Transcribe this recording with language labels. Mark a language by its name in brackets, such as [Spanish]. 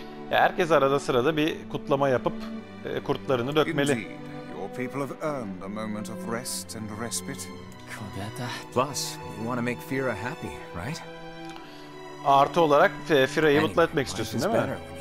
[Turkish] Herkes arada sırada bir kutlama yapıp kurtlarını dökmeli. [English] Your people have earned a moment of rest and respite. Plus, we want to make Fira happy, right? [Turkish] Artı olarak Fira'yı mutlu etmek istiyorsun, değil mi?